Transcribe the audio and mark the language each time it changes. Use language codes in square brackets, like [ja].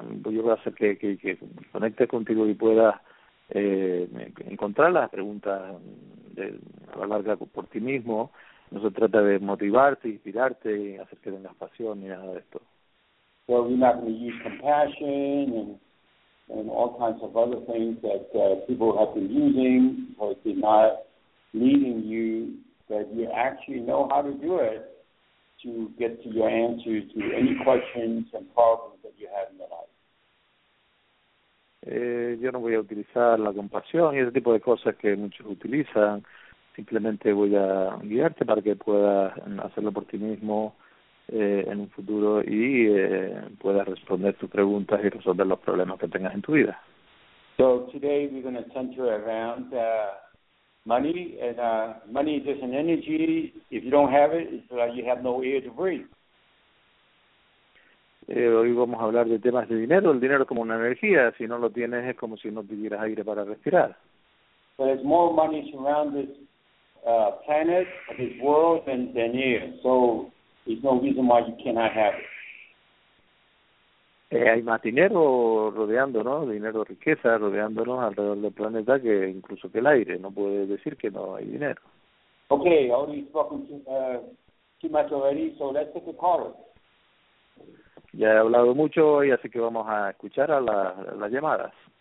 [es] Yo voy a hacer que conecte contigo y pueda encontrar las preguntas a la larga por ti mismo. No se trata de motivarte, inspirarte, hacer que tengas pasión ni nada de esto. [en] Well, we're not going to use compassion and all kinds of other things that people have been using, or if they're not leading you, that you actually know how to do it, to get to your answers to any questions and problems that you have in your life. [es] yo no voy a utilizar la compasión y ese tipo de cosas que muchos utilizan. Simplemente voy a guiarte para que puedas hacerlo por ti mismo en un futuro y puedas responder tus preguntas y resolver los problemas que tengas en tu vida. [en] So today we're going to center around money, and money is just an energy. If you don't have it, it's like you have no air to breathe. [es] Hoy vamos a hablar de temas de dinero. El dinero es como una energía. Si no lo tienes, es como si no tuvieras aire para respirar. [en] But there's more money around this planet, this world, than air. So there's no reason why you cannot have it. [es] Hay más dinero rodeándonos, dinero, riqueza, rodeándonos alrededor del planeta que incluso que el aire. No puedes decir que no hay dinero. [en] Okay, already spoken too much already, so let's take a call. [es] Ya he hablado mucho hoy, así que vamos a escuchar a las llamadas.